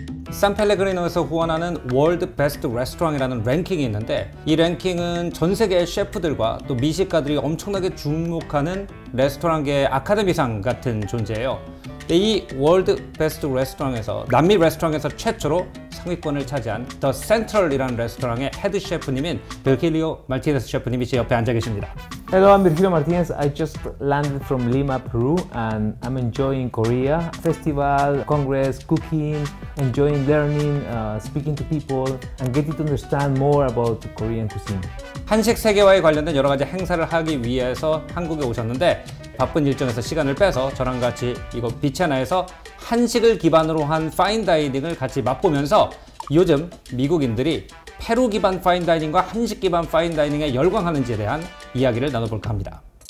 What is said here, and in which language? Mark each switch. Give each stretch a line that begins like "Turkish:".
Korean: 산펠레그리노에서 후원하는 월드 베스트 레스토랑이라는 랭킹이 있는데 이 랭킹은 전 세계의 셰프들과 또 미식가들이 엄청나게 주목하는 레스토랑계의 아카데미상 같은 존재예요. 이 월드 베스트 레스토랑에서 남미 레스토랑에서 최초로 상위권을 차지한 더 센트럴이라는 레스토랑의 헤드 셰프님인 비르힐리오 마르티네즈 셰프님이 제 옆에 앉아 계십니다.
English: Hello, I'm Virgilio Martinez. I just landed from Lima, Peru, and I'm enjoying Korea festival, congress, cooking, enjoying learning, speaking to people, and getting to understand more about Korean cuisine.
Korean: 한식 세계화에 관련된 여러 가지 행사를 하기 위해서 한국에 오셨는데 바쁜 일정에서 시간을 빼서 저랑 같이 이곳 비체나에서 한식을 기반으로 한 파인다이닝을 같이 맛보면서 요즘 미국인들이 페루 기반 파인다이닝과 한식 기반 파인다이닝에 열광하는지에 대한 이야기를 나눠볼까 합니다.